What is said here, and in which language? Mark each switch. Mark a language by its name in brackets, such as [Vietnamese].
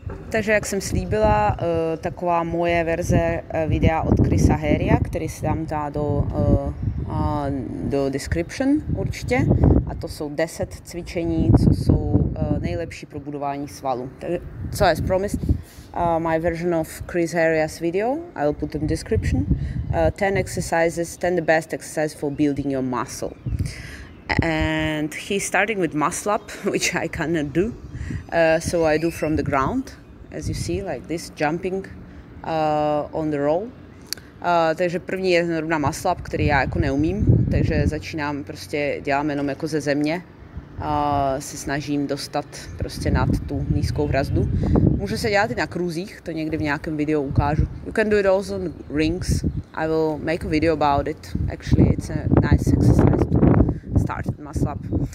[Czech] Takže jak jsem slíbila, taková moje verze videa od Chrisa Heria, který se dám dá do description určitě. A to jsou 10 cvičení, co jsou nejlepší pro budování svalu. [English] So as promised, my version of Chris Heria's video, I will put in description. 10 exercises, 10 the best exercises for building your muscle. And he's starting with muscle up, which I cannot do. So I do from the ground. As you see, like this, jumping on the roll. [Czech] Takže první je zrovna muscle up, který já jako neumím, takže začínám prostě, dělám jenom jako ze země. Se snažím dostat prostě nad tu nízkou hrazdu. Může se dělat i na kruzích, to někdy v nějakém videu ukážu. [English] You can do it also on rings. I will make a video about it. Actually, it's a nice exercise to start muscle up.